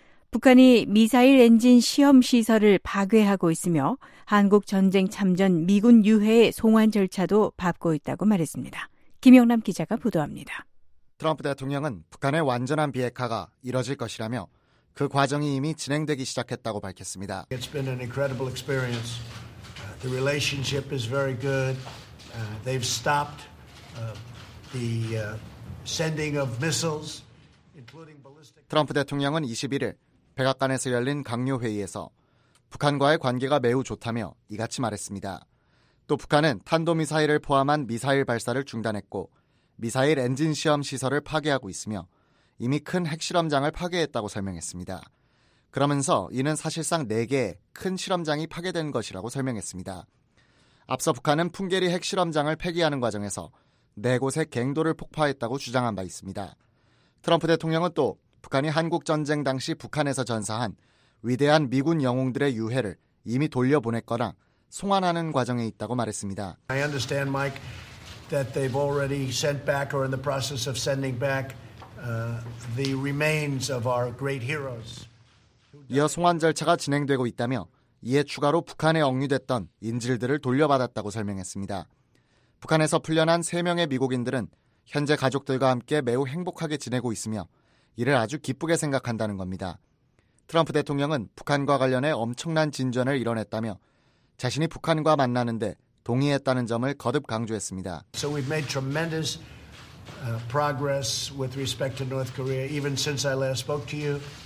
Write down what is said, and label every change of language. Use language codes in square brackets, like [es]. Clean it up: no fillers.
[ko] 북한이 미사일 엔진 시험 시설을 파괴하고 있으며 한국 전쟁 참전 미군 유해의 송환 절차도 밟고 있다고 말했습니다. 김영남 기자가 보도합니다. 트럼프 대통령은 북한의 완전한 비핵화가 이뤄질 것이라며 그 과정이 이미 진행되기 시작했다고 밝혔습니다. [en] It's been an incredible experience. The relationship is very good. They've stopped the sending of missiles, including ballistic. [ko] 트럼프 대통령은 21일 백악관에서 열린 강요 회의에서 북한과의 관계가 매우 좋다며 이같이 말했습니다. 또 북한은 탄도미사일을 포함한 미사일 발사를 중단했고 미사일 엔진 시험 시설을 파괴하고 있으며 이미 큰 핵실험장을 파괴했다고 설명했습니다. 그러면서 이는 사실상 4개의 큰 실험장이 파괴된 것이라고 설명했습니다. 앞서 북한은 풍계리 핵실험장을 폐기하는 과정에서 4곳의 갱도를 폭파했다고 주장한 바 있습니다. 트럼프 대통령은 또 북한이 한국전쟁 당시 북한에서 전사한 위대한 미군 영웅들의 유해를 이미 돌려보냈거나 송환하는 과정에 있다고 말했습니다. [en] I understand, Mike, that they've already sent back or in the process of sending back the remains of our great heroes. [ko] 이어 송환 절차가 진행되고 있다며 이에 추가로 북한에 억류됐던 인질들을 돌려받았다고 설명했습니다. 북한에서 풀려난 3명의 미국인들은 현재 가족들과 함께 매우 행복하게 지내고 있으며 이를 아주 기쁘게 생각한다는 겁니다. 트럼프 대통령은 북한과 관련해 엄청난 진전을 이뤄냈다며 자신이 북한과 만나는데 동의했다는 점을 거듭 강조했습니다. [en] So we've made tremendous progress with respect to North Korea even since I last spoke to you.